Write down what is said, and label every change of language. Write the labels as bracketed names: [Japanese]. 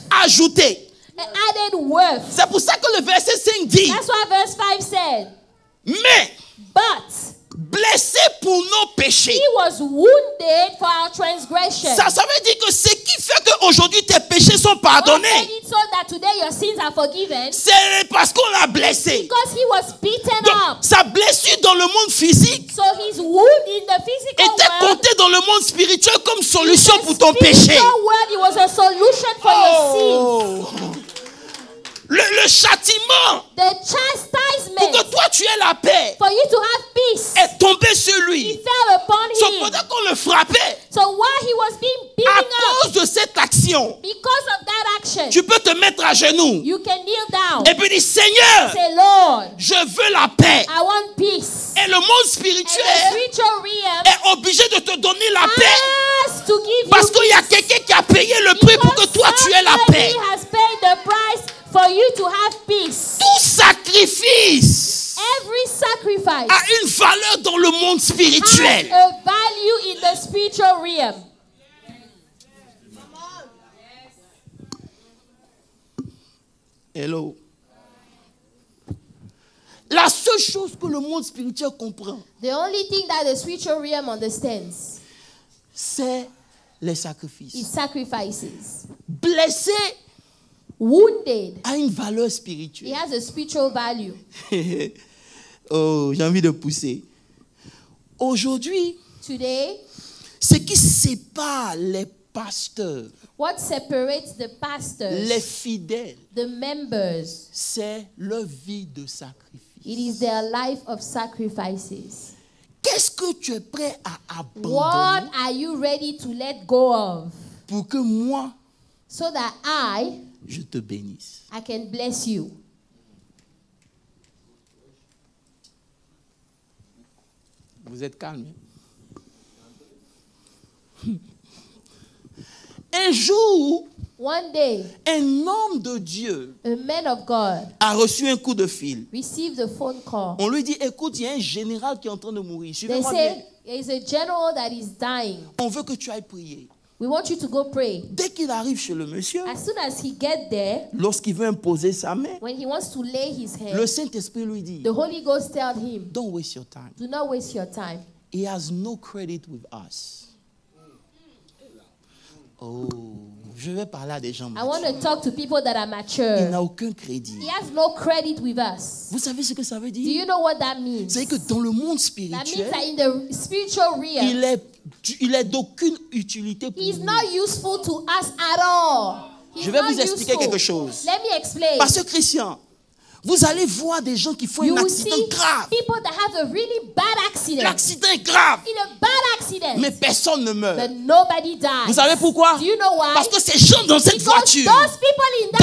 [French] Ajoutée. [English] Added worth. [French] C'est pour ça que le verset 5 dit. [English] That's what verse 5 said. [French] Mais. [English] But. [French] Blessé pour nos péchés. [English] He was wounded for our transgression. [French] Ça veut dire que ce qui fait que aujourd'hui tes péchés sont pardonnés. [English] What made it so that today your sins are forgiven? [French] C'est parce qu'on l'a blessé. [English] Because he was beaten [French] donc, [English] up. [French] Sa blessure dans le monde physique. [English] So his wound in the physical world. [French] Était comptée dans le monde spirituel comme solution pour ton péché. [English] In the spiritual world, it was a solution for oh. your sins. [French] Le châtiment [English] the chastisement [French] pour que toi tu aies la paix [English] for you to have peace [French] est tombé sur lui. [English] He fell upon him. [French] So pendant qu'on le frappait [English] so while he was being beaten [French] à cause [English] up, [French] de cette action, [English] because of that action [French] tu peux te mettre à genoux [English] you can kneel down [French] et puis dire Seigneur [English] say, Lord, [French] je veux la paix [English] I want peace. [French] Et le monde spirituel [English] and the spiritual realm [French] est obligé de te donner la paix [English] to give you [French] parce qu'il y a quelqu'un qui a payé le prix pour que toi tu aies la paix. [English] He has paid the price for you to have peace. [French] Tout sacrifice. [English] Every sacrifice. [French] A une valeur dans le monde spirituel. [English] Has a value in the spiritual realm. Hello. [French] La seule chose que le monde spirituel comprend. [English] The only thing that the spiritual realm understands. [French] C'est les sacrifices. [English] It's sacrifices. [French] Blessé. [English] Wounded. [French] A une valeur spirituelle. [English] He has a spiritual value. [French] Oh, j'ai envie de pousser. Aujourd'hui, [English] today, [French] ce qui sépare les pasteurs, [English] what separates the pastors, [French] les fidèles, [English] the members, [French] c'est leur vie de sacrifice. [English] It is their life of sacrifices. [French] Qu'est-ce que tu es prêt à abandonner? [English] What are you ready to let go of? [French] Pour que moi, [English] so that I, [French] je te bénisse. [English] I can bless you. [French] Vous êtes calme. Un jour, [English] One day, [French] un homme de Dieu [English] a, man of God, [French] a reçu un coup de fil. [English] Received a phone call. [French] On lui dit, écoute, il y a un général qui est en train de mourir. Suivez-moi bien. [English] There is a general that is dying. [French] On veut que tu ailles prier. [English] We want you to go pray. [French] Dès qu'il arrive chez le monsieur, [English] as soon as he get there, [French] lorsqu'il veut imposer sa main, [English] when he wants to lay his hand, [French] le Saint-Esprit lui dit, [English] the Holy Ghost tells him, don't waste your time. Do not waste your time. He has no credit with us. [French] Oh, je vais parler à des gens matures. [English] I want to talk to people that are mature. [French] Il n'a aucun crédit. [English] He has no credit with us. [French] Vous savez ce que ça veut dire? [English] Do you know what that means? [French] C'est que dans le monde spirituel, [English] that means that in the spiritual realm, [French] il est d'aucune utilité pour nous. [English] He's not useful to us at all. [French] Je vais vous expliquer quelque chose. [English] Let me explain. [French] Parce que Christian, vous allez voir des gens qui font [English] you [French] un accident grave. [English] People that have a really bad accident. [French] L'accident est grave. [English] In a bad accident. [French] Mais personne ne meurt. [English] But nobody dies. [French] Vous savez pourquoi? [English] Do you know why? [French] Parce que ces gens dans cette [English] because [French] voiture, [English] those people in that